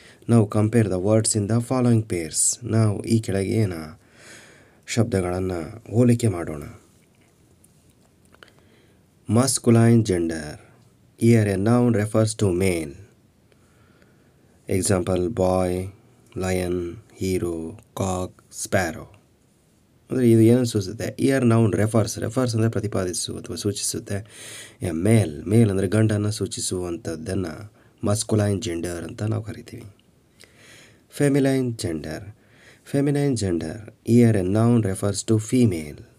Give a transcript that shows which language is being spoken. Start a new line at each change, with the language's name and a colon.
English: Now compare the words in the following pairs. Now,
Kannada: ee kelage ena shabdagalanna holike madona.
English: Masculine gender. Here a noun refers to male. Example, boy, lion, hero, cock, sparrow.
Kannada: ಅಂದರೆ ಇದು ಏನು ಸೂಚಿಸುತ್ತೆ
English: here noun refers
Kannada: refers ಅಂದರೆ ಪ್ರತಿಪಾದಿಸು ಅಥವಾ ಸೂಚಿಸುತ್ತೆ ಮೇಲ್ ಮೇಲ್ ಅಂದರೆ ಗಂಡನ್ನು ಸೂಚಿಸುವಂಥದ್ದನ್ನು masculine gender ಅಂತ ನಾವು ಕರಿತೀವಿ.
English: Feminine gender. Feminine gender. Here a noun refers to female.